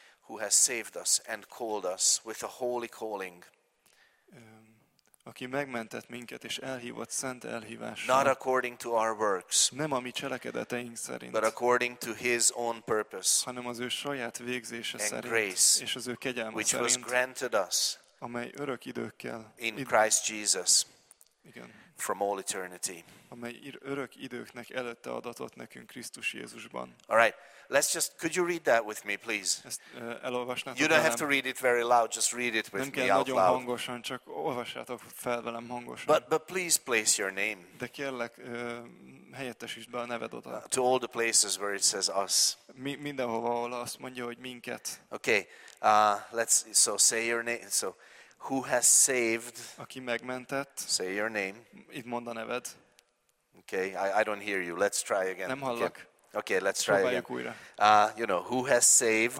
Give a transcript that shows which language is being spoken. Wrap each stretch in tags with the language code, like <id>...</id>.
<en>Who has saved us and called us with a holy calling.</en> <hu>Aki megmentett minket és elhívott szent elhívásra.</hu> <en>Not according to our works.</en> <hu>Nem a mi cselekedeteink szerint.</hu> <en>But according to his own purpose.</en> <hu>Hanem az ő saját végzése</hu> <en>and</en> <hu>szerint.</hu> <en>Grace,</en> <hu>és az ő kegyelme</hu> <en>which</en> <hu>szerint.</hu> <en>Which was granted us.</en> <hu>Amely örök időkkel.</hu> <en>In Christ Jesus.</en> <hu>Igen.</hu> <en>From all eternity.</en> <hu>Amely örök időknek előtte adatott nekünk Krisztus Jézusban.</hu> <en>All right. Let's just could you read that with me please?</en> <hu>Ezt elolvasnátok</hu> <en>you don't have to read it very loud, just read it with me out loud.</en> <hu>Nem kell nagyon hangosan, csak olvassátok fel velem hangosan.</hu> <en>But please place your name.</en> <hu>De kérlek, helyettesítsd be a neved oda.</hu> <en>To all the places where it says us.</en> <hu>Mindenhova, ahol azt mondja, hogy minket.</hu> <en>Okay. So say your name. So who has saved?</en> <hu>Aki megmentett.</hu> <en>Say your name.</en> <hu>Itt mondd a neved.</hu> <en>Okay. I don't hear you. Let's try again.</en> <hu>Nem hallok.</hu> <en>Okay, let's try again. You know, who has saved?</en>